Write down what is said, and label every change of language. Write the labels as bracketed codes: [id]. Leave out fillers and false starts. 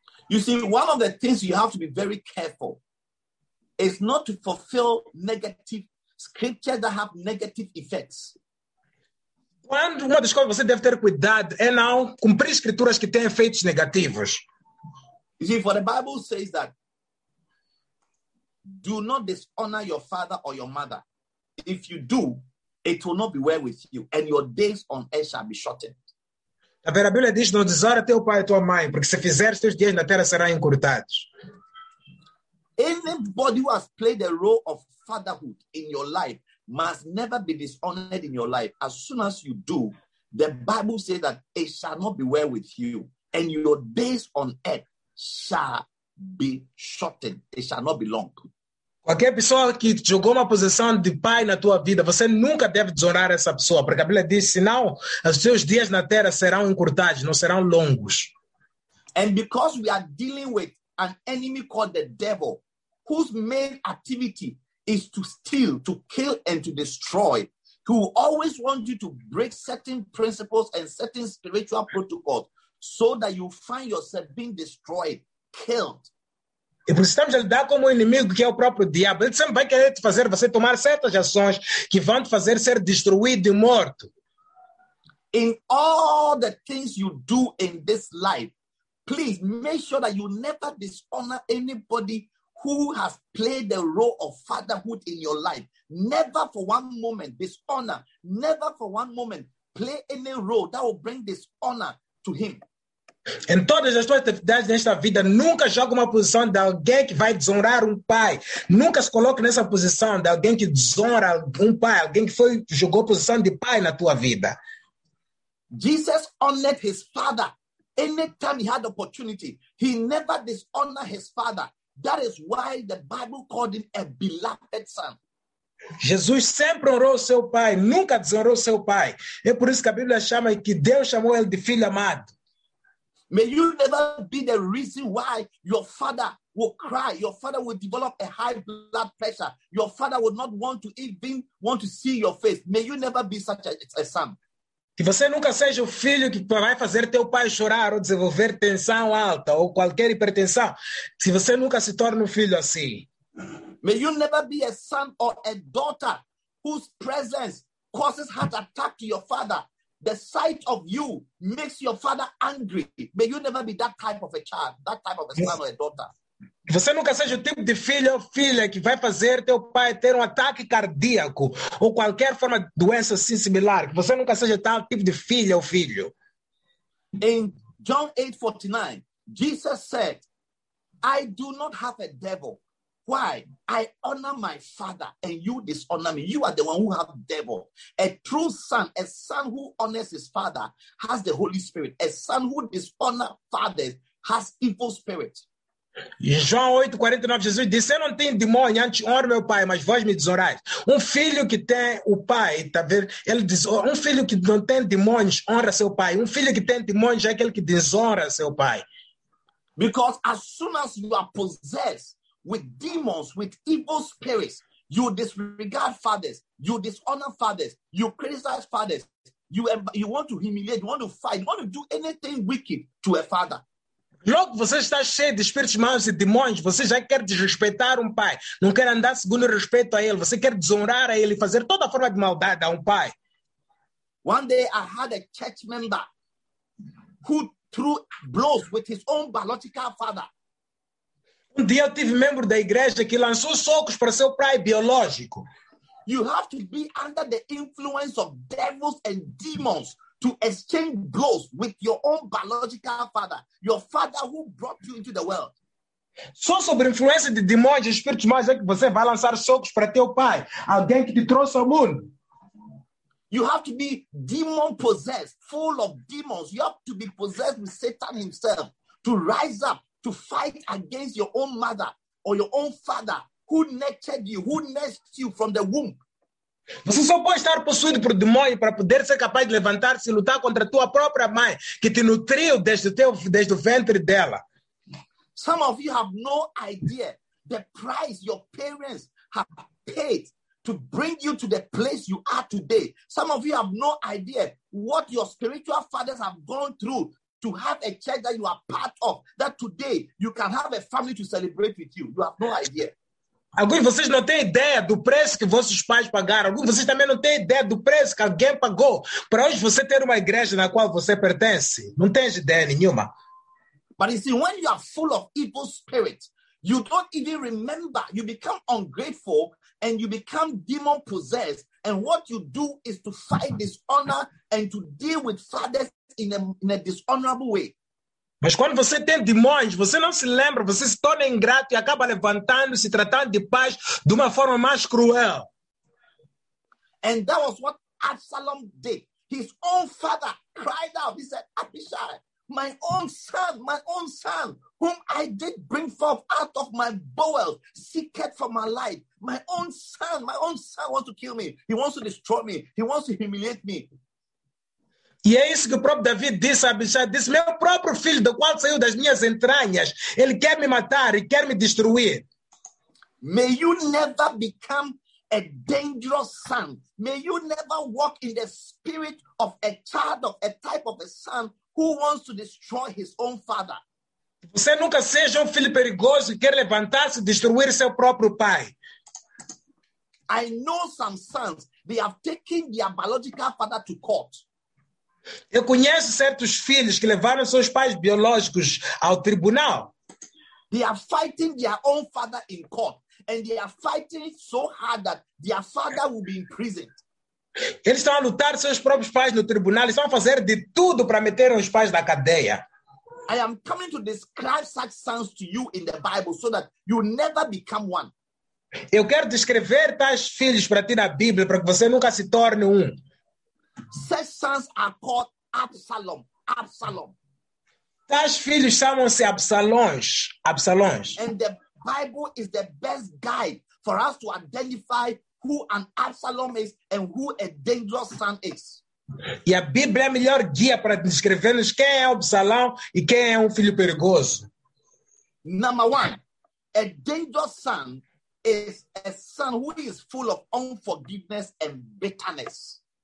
[en] You see, one of the things you have to be very careful is not to fulfill negative scriptures that have negative effects. [pt] Quando uma das coisas você deve ter cuidado é não cumprir escrituras que têm efeitos negativos. [en] You see, for the Bible says that do not dishonor your father or your mother. If you do, it will not be well with you, and your days on earth shall be shortened. [pt] A Vera Bíblia diz, não desonra teu pai e tua mãe, porque se fizeres, teus dias na terra serão encurtados. [en] Anybody who has played the role of fatherhood in your life must never be dishonored in your life. As soon as you do, the Bible says that it shall not be well with you, and your days on earth shall be shortened. It shall not be long. [pt] Qualquer pessoa que jogou uma posição de pai na tua vida, você nunca deve desonrar essa pessoa, porque a Bíblia diz, senão, os seus dias na terra serão encurtados, não serão longos. [en] And because we are dealing with an enemy called the devil, whose main activity is to steal, to kill, and to destroy, who always wants you to break certain principles and certain spiritual protocols, so that you find yourself being destroyed, killed. [pt] E por isso estamos a lidar com um inimigo que é o próprio diabo. Ele sempre vai querer te fazer você tomar certas ações que vão te fazer ser destruído e morto. [en] In all the things you do in this life, please make sure that you never dishonor anybody who has played the role of fatherhood in your life. Never for one moment dishonor. Never for one moment play any role that will bring dishonor to him. [pt] Em todas as tuas atividades nesta vida, nunca jogue uma posição de alguém que vai desonrar pai. Nunca se coloque nessa posição de alguém que desonra pai, alguém que foi jogou posição de pai na tua vida. [en] Jesus honored his father anytime he had opportunity. He never dishonored his father. That is why the Bible called him a beloved son. [pt] Jesus sempre honrou seu pai, nunca desonrou seu pai. É por isso que a Bíblia chama que Deus chamou ele de filho amado. [en] May you never be the reason why your father will cry, your father will develop a high blood pressure, your father will not want to even want to see your face. May you never be such a son. [pt] Que você nunca seja o filho que vai fazer teu pai chorar ou desenvolver tensão alta ou qualquer hipertensão. Se você nunca se torna filho assim. [en] May you never be a son or a daughter whose presence causes heart attack to your father. The sight of you makes your father angry. May you never be that type of a child, that type of a son or a daughter. [pt] Você nunca seja o tipo de filho ou filha que vai fazer teu pai ter um ataque cardíaco ou qualquer forma de doença assim similar. Você nunca seja tal tipo de filha ou filho. [en] In John 8:49, Jesus said, I do not have a devil. Why? I honor my father and you dishonor me. You are the one who have devil. A true son, a son who honors his father has the Holy Spirit. A son who dishonors father has evil spirit. [pt] João 8:49, Jesus disse, eu não tenho demônio, antes honro meu pai, mas vós me desonrais. Um filho que tem o pai, tá ver? Ele diz, um filho que não tem demônios honra seu pai. Um filho que tem demônios é aquele que desonra seu pai. [en] Because as soon as you are possessed with demons, with evil spirits, you disregard fathers, you dishonor fathers, you criticize fathers, you want to humiliate, you want to fight, you want to do anything wicked to a father. [pt] Logo, você está cheio de espíritos maus e demônios, você já quer desrespeitar um pai, não quer andar segundo respeito a ele, você quer desonrar a ele e fazer toda forma de maldade a um pai. [en] One day I had a church member who threw blows with his own biological father. [pt] Um dia eu tive membro da igreja que lançou socos para seu pai biológico. [en] You have to be under the influence of devils and demons to exchange blows with your own biological father, your father who brought you into the world. [pt] Só sobre a influência de demônios e espíritos maus é que você vai lançar socos para teu pai, alguém que te trouxe ao mundo. [en] You have to be demon possessed, full of demons. You have to be possessed with Satan himself to rise up to fight against your own mother or your own father who nurtured you, who nursed you from the womb. [pt] Você só pode estar possuído por demônio para poder ser capaz de levantar-se e lutar contra a tua própria mãe, que te nutriu desde o ventre dela. [en] Some of you have no idea the price your parents have paid to bring you to the place you are today. Some of you have no idea what your spiritual fathers have gone through to have a church that you are part of, that today you can have a family to celebrate with you. You have no idea. [pt] Alguns de vocês não têm ideia do preço que vossos pais pagaram. Alguns de vocês também não têm ideia do preço que alguém pagou para hoje você ter uma igreja na qual você pertence. Não tens ideia nenhuma. [en] But you see, when you are full of evil spirit, you don't even remember. You become ungrateful and you become demon possessed. And what you do is to fight dishonor and to deal with fathers in a dishonorable way. [pt] Mas quando você tem demônios, você não se lembra, você se torna ingrato e acaba levantando-se, tratando de paz de uma forma mais cruel. [en] And that was what Absalom did. His own father cried out. He said, Abishai, my own son, whom I did bring forth out of my bowels, seeketh for my life. My own son wants to kill me. He wants to destroy me. He wants to humiliate me. [pt] E é isso que o próprio David disse a Abishai. Disse, meu próprio filho, do qual saiu das minhas entranhas, ele quer me matar e quer me destruir. [en] May you never become a dangerous son. May you never walk in the spirit of a child, of a type of a son who wants to destroy his own father. [pt] Você nunca seja um filho perigoso que quer levantar-se e destruir seu próprio pai. [en] I know some sons, they have taken their biological father to court. [pt] Eu conheço certos filhos que levaram seus pais biológicos ao tribunal. [en] They are fighting their own father in court, and they are fighting so hard that their father will be imprisoned. [pt] Eles estão a lutar seus próprios pais no tribunal, estão a fazer de tudo para meter os pais na cadeia. [en] I am coming to describe such sons to you in the Bible so that you never become one. [pt] Eu quero descrever tais filhos para ti na Bíblia para que você nunca se torne um. [en] Such sons are called Absalom. Absalom. [pt] Tais filhos chamam-se Absalons. Absalons. [en] And the Bible is the best guide for us to identify who an Absalom is and who a dangerous son is. [pt] E a Bíblia é a melhor guia para descrever-nos quem é Absalão e quem é filho perigoso. [en] Number one, a dangerous son is a son who is full of unforgiveness and bitterness.